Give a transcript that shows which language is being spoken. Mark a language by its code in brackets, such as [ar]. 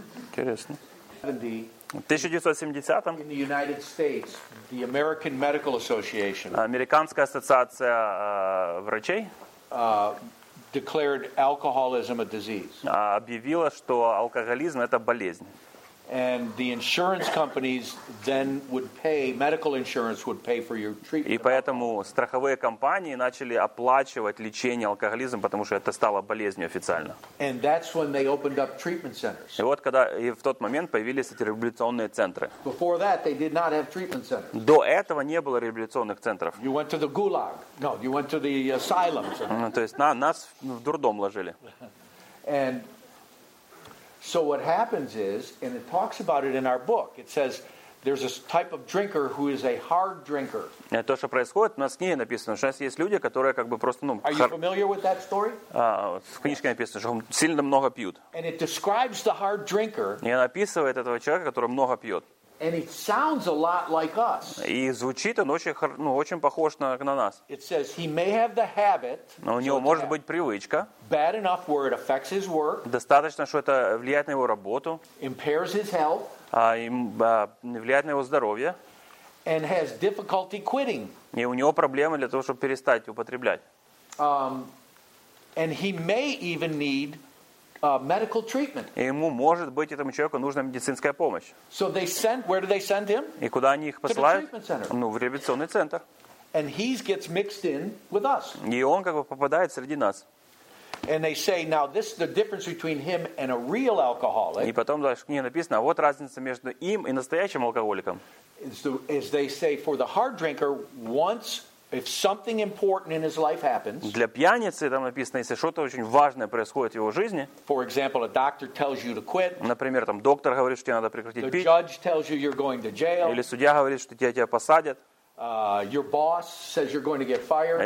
[ru] Интересно. В 1970-м Американская ассоциация врачей [en] declared alcoholism a disease. [ru] Объявила, что алкоголизм – это болезнь. [en] And the insurance companies then would pay, medical insurance would pay for your treatment. [ru] И поэтому страховые компании начали оплачивать лечение алкоголизма, потому что это стало болезнью официально. [en] And that's when they opened up treatment centers. [ru] И вот когда и в тот момент появились эти реабилитационные центры. [en] Before that they did not have treatment centers. [ru] До этого не было реабилитационных центров. [en] You went to the gulag. No, you went to the asylums. [ru] То есть нас в дурдом ложили. [en] And so what happens is, and it talks about it in our book, it says there's a type of drinker who is a hard drinker. [ru] То, что происходит, у нас в книге написано, что есть люди, которые как бы просто, ну, [en] Are you familiar with that story? [ru] В книжке написано, что сильно много пьют. [en] And it describes the hard drinker. [ru] И он описывает этого человека, который много пьет. [en] And it sounds a lot like us. [ru] И звучит он очень, ну, очень похож на нас. [en] It says he may have the habit. [ru] Но у него может быть привычка. [en] Bad enough where it affects his work. [ru] Достаточно, что это влияет на его работу. [en] Impairs his health. [ru] Влияет на его здоровье. [en] And has difficulty quitting. [ru] И у него проблемы для того, чтобы перестать употреблять. [en] And he may even need medical treatment. [ru] И ему, может быть, этому человеку нужна медицинская помощь. [en] So they sent, where do they send him? [ru] И куда они их посылают? [en] To the treatment center. [ru] Ну, в реабилитационный центр. [en] And he gets mixed in with us. [ru] И он как бы попадает среди нас. [en] And they say, now this is the difference between him and a real alcoholic. [ru] И потом дальше в книге написано, вот разница между им и настоящим алкоголиком. [en] As they say, for the hard drinker, once if something important in his life happens, [ru] для пьяницы там написано, если что-то очень важное происходит в его жизни, [en] for example, a doctor tells you to quit, [ru] например, там доктор говорит, что тебе надо прекратить [en] the [ru] пить, [en] judge tells you you're going to jail, [ru] или судья говорит, что тебя посадят, [en] your boss says you're going to get fired,